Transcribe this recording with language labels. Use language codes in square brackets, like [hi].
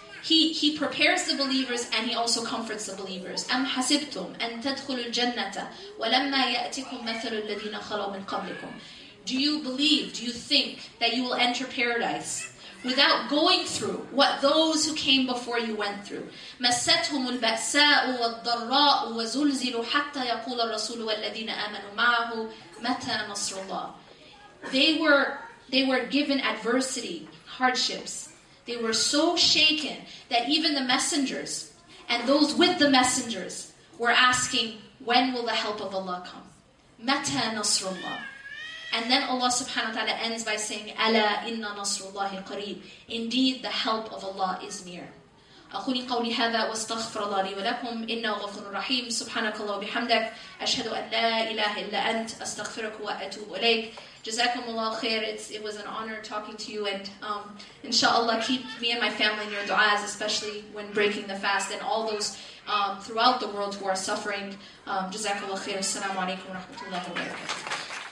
[en] He prepares the believers and he also comforts the believers. [ar] أَمْ حَسِبْتُمْ أَن تَدْخُلُوا الْجَنَّةَ وَلَمَّا يَأْتِكُمْ مَثَلُ الَّذِينَ خَلَوْا مِنْ قَبْلِكُمْ. [en] Do you believe, do you think that you will enter paradise without going through what those who came before you went through? [ar] مَسَّتْهُمُ الْبَأْسَاءُ وَالضَّرَّاءُ وَزُلْزِلُوا حَتَّى يَقُولَ الرَّسُولُ وَالَّذِينَ آمَنُوا مَعَهُ مَتَى نَصْرُ اللَّهِ. [en] They were given adversity, hardships. they were so shaken that even the messengers and those with the messengers were asking, when will the help of Allah come? [ar] Mata nasrullah. [en] And then Allah subhanahu wa ta'ala ends by saying, [ar] Ala inna nasrullahi qareeb. [en] Indeed, the help of Allah is near. [ar] أقولي قولي هذا واستغفر الله لي ولكم إنه غفور رحيم سبحانك الله وبحمدك أشهد أن لا إله إلا أنت أستغفرك وأتوب إليك جزاكم الله خير. [en] It was an honor talking to you, and inshallah keep me and my family in your du'as, especially when breaking the fast, and all those throughout the world who are suffering. [ar] جزاكم الله خير. السلام عليكم ورحمة الله وبركاته.